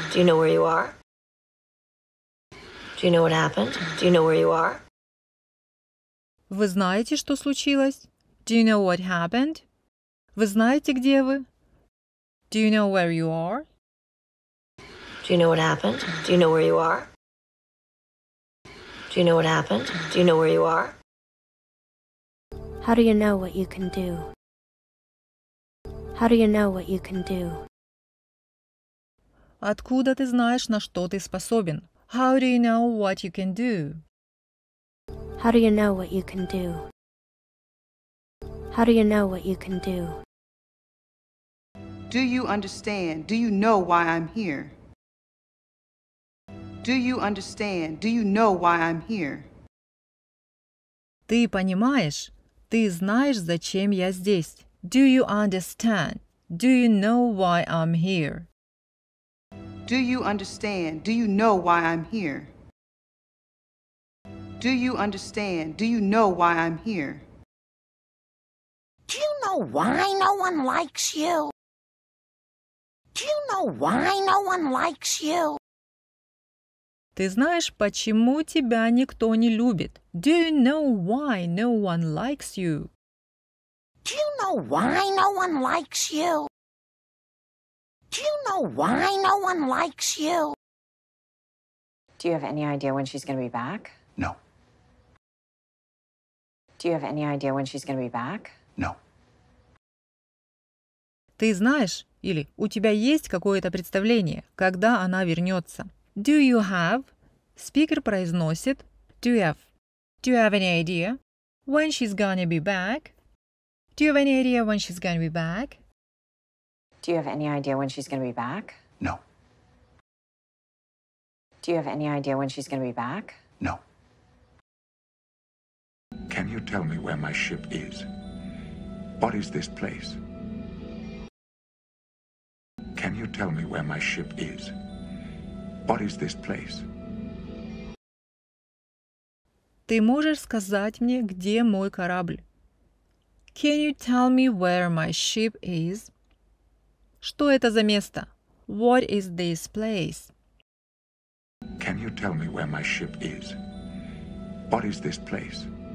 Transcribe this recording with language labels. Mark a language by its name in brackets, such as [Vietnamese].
[English] Do you know where you are? Do you know what happened? Do you know where you are? [Russian] Вы знаете, что случилось? [English] Do you know what happened? [Russian] Вы знаете, где вы? [English] Do you know where you are? Do you know what happened? Do you know where you are? Do you know what happened? Do you know where you are? How do you know what you can do? How do you know what you can do? [Russian] Откуда ты знаешь, на что ты способен? [English] How do you know what you can do? How do you know what you can do? How do you know what you can do? Do you understand? Do you know why I'm here? Do you understand? Do you know why I'm here? [Russian] Ты понимаешь? Ты знаешь, зачем я здесь? [English] Do you understand? Do you know why I'm here? Do you understand? Do you know why I'm here? Do you understand? Do you know why I'm here? Do you know why no one likes you? Do you know why no one likes you? [Russian] Ты знаешь, почему тебя никто не любит? [English] Do you know why no one likes you? Do you know why no one likes you? Do you know why no one likes you? Do you have any idea when she's going to be back? No. Do you have any idea when she's going to be back? No. [Russian] Ты знаешь, или у тебя есть какое-то представление, когда она вернется? [English] Do you have? Спикер произносит Do you have? Do you have any idea when she's gonna be back? Do you have any idea when she's gonna be back? Do you have any idea when she's gonna be back? No. Do you have any idea when she's gonna be back? No. Can you tell me where my ship is? What is this place? Can you tell me where my ship is? What is this place? [Russian] Ты можешь сказать мне, где мой корабль? [English] Can you tell me where my ship is? [Russian] Что это за место? [English] What is this place? Can you tell me where my ship is? What is this place?